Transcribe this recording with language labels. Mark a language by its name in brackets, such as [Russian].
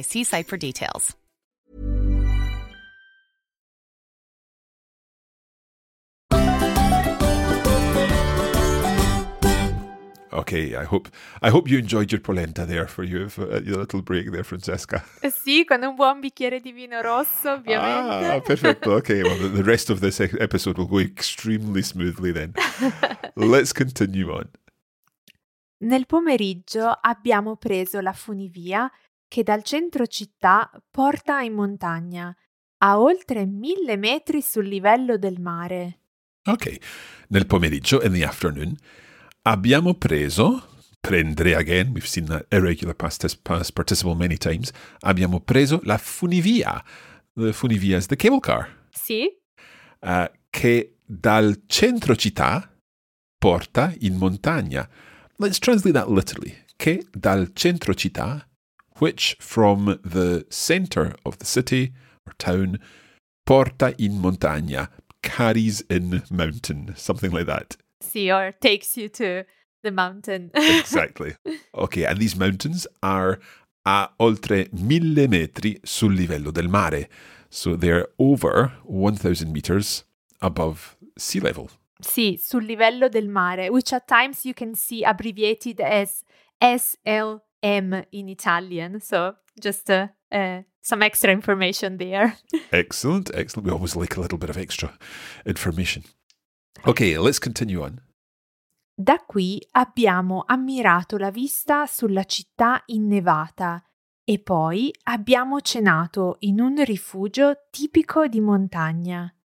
[English] See site for details. Okay, I hope you enjoyed your polenta there for you, for your little break there, Francesca. [Italian] Sì, con un buon bicchiere di vino rosso, ovviamente. [English] Ah, perfect. Okay, well, the rest of this episode will go extremely smoothly then. Let's continue on. [Italian] Nel pomeriggio abbiamo preso la funivia che dal centro città porta in montagna, a oltre 1,000 metri sul livello del mare. [English] Okay, [Italian] nel pomeriggio, [English] in the afternoon, [Italian] abbiamo preso, [English] prendere again, we've seen that irregular past participle many times. [Italian] Abbiamo preso la funivia. [English] The funivia is the cable car. [Italian] Sì. Che dal centro città porta in montagna. [English] Let's translate that literally. [Italian] Che dal centro città, [English] which from the center of the city or town, [Italian] porta in montagna, [English] carries in mountain, something like that. See, or takes you to the mountain. Exactly. Okay, and these mountains are [Italian] a oltre 1,000 metri sul livello del mare. [English] So they're over 1,000 meters above sea level. [Italian] Sì, sul livello del mare, [English] which at times you can see abbreviated as SLM in Italian. So just some extra information there. Excellent, excellent. We always like a little bit of extra information. Ok, let's continue on. [Italian] Da qui abbiamo ammirato la vista sulla città innevata e poi abbiamo cenato in un rifugio tipico di montagna.